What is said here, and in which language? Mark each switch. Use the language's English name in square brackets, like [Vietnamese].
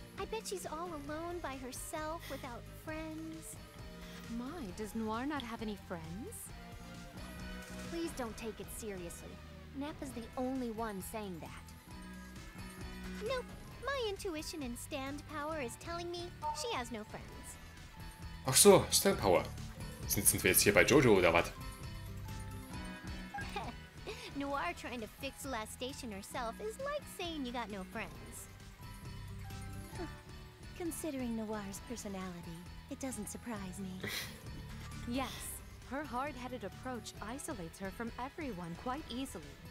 [English] I bet she's all alone by herself without friends. My, does Noir not have any friends? Please don't take it seriously. Nep is the only one saying that. Nope. My intuition and stand power is telling me she has no friends. [German] Ach so, stand power. Sind wir jetzt hier bei Jojo oder was? [English] Noir trying to fix last station herself is like saying you got no friends. Considering Noir's personality, it doesn't surprise me. Yes, her hard-headed approach isolates her from everyone quite easily.